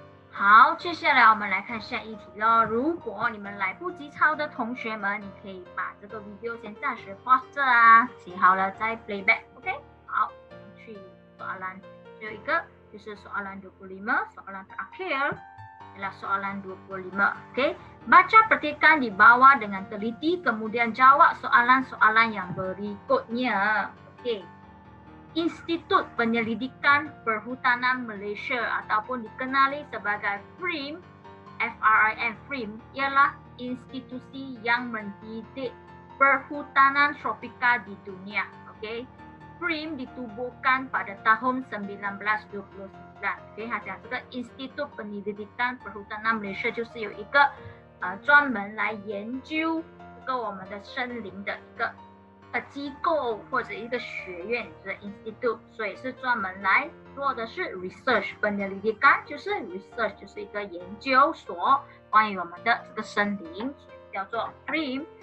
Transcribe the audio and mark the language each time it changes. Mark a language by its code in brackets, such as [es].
[zh] 好，接下来我们来看下一题咯。如果你们来不及抄的同学们，你可以把这个 video 先暂时 pause 这啊，写好了再 playback， OK？好，我们去soalan 最后一个，就是 soalan 25， [ms] soalan terakhir ialah soalan 25， [zh] OK？ [ms] Baca petikan di bawah dengan teliti, kemudian jawab soalan-soalan yang berikutnya, OK？ Institut Penyelidikan Perhutanan Malaysia ataupun dikenali sebagai FRIM, F-R-I-M, FRIM ialah institusi yang mendidik perhutanan tropika di dunia. Okay, FRIM ditubuhkan pada tahun 1929. [zh] Okay, 他讲这个 Institut Penyelidikan Perhutanan Malaysia 就是有一个专门来研究这个我们的森林的一个机构或者一个学院，就是 institute， 所以是专门来做的是 research， 本的理解感就是 research， 就是一个研究所，关于我们的这个森林叫做 FRIM。